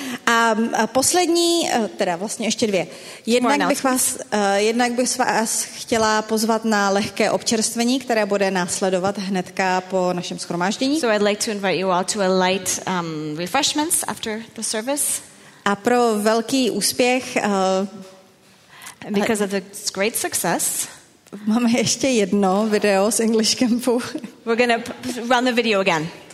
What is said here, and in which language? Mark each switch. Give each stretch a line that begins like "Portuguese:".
Czech: A poslední, teda vlastně ještě dvě. Jednak bych vás chtěla pozvat na lehké občerstvení, které bude následovat hnedka po našem shromáždění.
English: So I'd like to invite you all to a light refreshments after the service.
Czech: A pro velký úspěch
English: because of the great success.
Czech: Máme ještě jedno video z English Campu.
English: We're going to run the video again.